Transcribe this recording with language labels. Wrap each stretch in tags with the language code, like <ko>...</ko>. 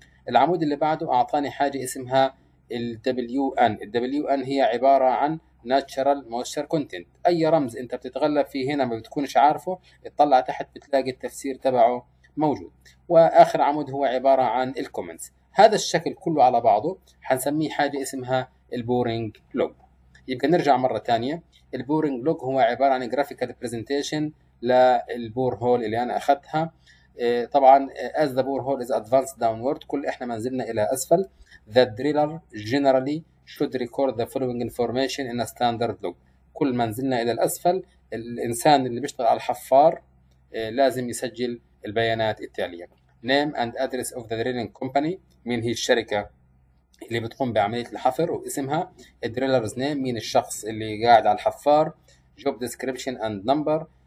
<ar>العمود اللي بعده اعطاني حاجه اسمها ال WN، ال WN هي عباره عن Natural Moisture Content، اي رمز انت بتتغلب فيه هنا ما بتكونش عارفه اطلع تحت بتلاقي التفسير تبعه موجود، وآخر عمود هو عبارة عن الكومنتس. هذا الشكل كله على بعضه حنسميه حاجة اسمها البورينج لوج. يبقى نرجع مرة تانية، البورينج لوج هو عبارة عن جرافيكال برزنتيشن للبور هول اللي أنا أخذتها.</ar> <en>طبعا as the borehole is advanced downward،</en> <ar>كل احنا ما نزلنا الى اسفل،</ar> <en>the driller generally should record the following information in a standard log.</en> <ar>كل ما نزلنا الى الاسفل الانسان اللي بيشتغل على الحفار لازم يسجل البيانات التاليه:</ar> <en>name and address of the drilling company،</en> <ar>مين هي الشركه اللي بتقوم بعمليه الحفر واسمها،</ar> <en>driller's name،</en> <ar>مين الشخص اللي قاعد على الحفار،</ar> <en>job description and number،</en>